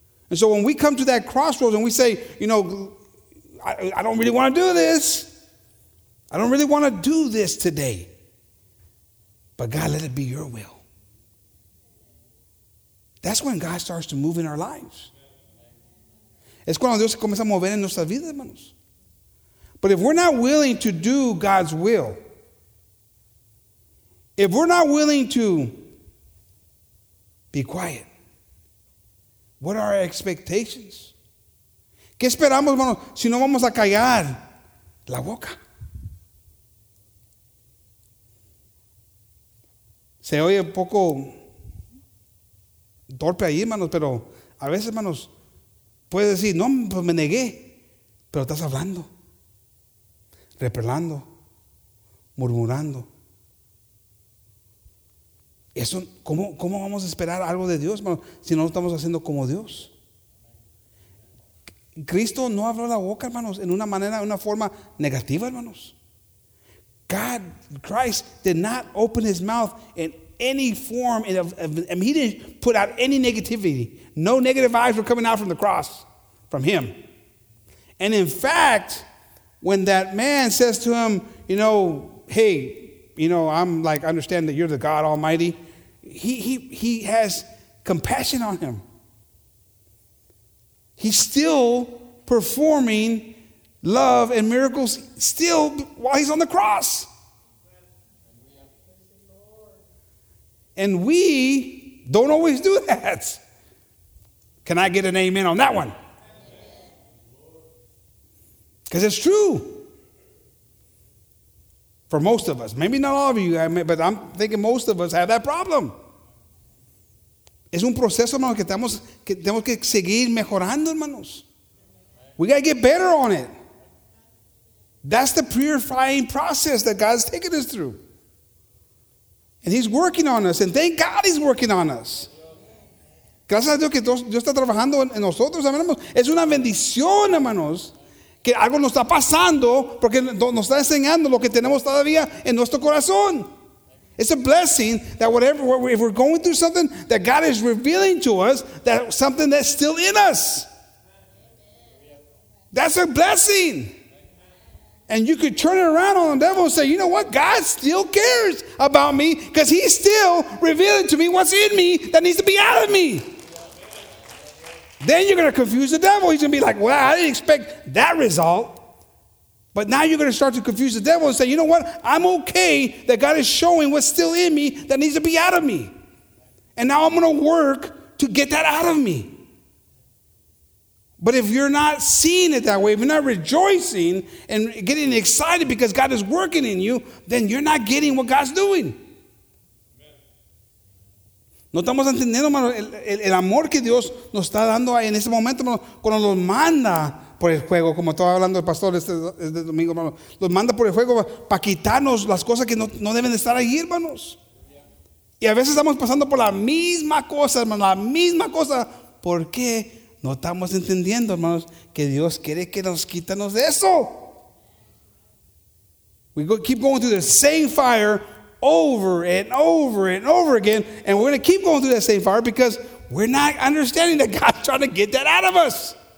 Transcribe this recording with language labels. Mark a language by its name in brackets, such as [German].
[English] And so when we come to that crossroads and we say, you know, I don't really want to do this. I don't really want to do this today. But God, let it be your will. That's when God starts to move in our lives. [Spanish] Es cuando Dios comienza a mover en nuestra vida, hermanos. [English] But if we're not willing to do God's will, if we're not willing to be quiet, what are our expectations? [Spanish] ¿Qué esperamos, hermanos, si no vamos a callar la boca? Se oye un poco torpe ahí, hermanos, pero a veces, hermanos, puedes decir, no, pues me negué. Pero estás hablando, repelando, murmurando. Eso, ¿cómo vamos a esperar algo de Dios, hermano, si no lo estamos haciendo como Dios? Cristo no abrió la boca, hermanos, en una manera, en una forma negativa, hermanos. [English] God, Christ, did not open his mouth in any form. He didn't put out any negativity. No negative vibes were coming out from the cross. From him. And in fact, when that man says to him, you know, hey, you know, I'm like, understand that you're the God Almighty, he has compassion on him. He's still performing love and miracles still while he's on the cross. And we don't always do that. Can I get an amen on that one? Because it's true for most of us. Maybe not all of you, but I'm thinking most of us have that problem. [Spanish] Es un proceso, hermanos, que tenemos que seguir mejorando, hermanos. [English] We got to get better on it. That's the purifying process that God's taking us through. And he's working on us. And thank God he's working on us. [Spanish] Gracias a Dios que Dios está trabajando en nosotros. Es una bendición, hermanos. Que algo nos está pasando porque nos está enseñando lo que tenemos todavía en nuestro corazón. [English] It's a blessing that whatever, if we're going through something, that God is revealing to us that something that's still in us. That's a blessing. And you could turn it around on the devil and say, you know what? God still cares about me because he's still revealing to me what's in me that needs to be out of me. Then you're going to confuse the devil. He's going to be like, well, I didn't expect that result. But now you're going to start to confuse the devil and say, you know what? I'm okay that God is showing what's still in me that needs to be out of me. And now I'm going to work to get that out of me. But if you're not seeing it that way, if you're not rejoicing and getting excited because God is working in you, then you're not getting what God's doing. [Spanish] No estamos entendiendo, hermano, el amor que Dios nos está dando ahí en ese momento, hermano, cuando nos manda por el fuego, como estaba hablando el pastor este domingo, hermano. Nos manda por el fuego para quitarnos las cosas que no deben estar ahí, hermanos. Y a veces estamos pasando por la misma cosa, hermano, la misma cosa. ¿Por qué? No estamos entendiendo, hermanos, que Dios quiere que nos quitemos de eso. [English] We keep going through the same fire over and over and over again, and we're going to keep going through that same fire because we're not understanding that God's trying to get that out of us.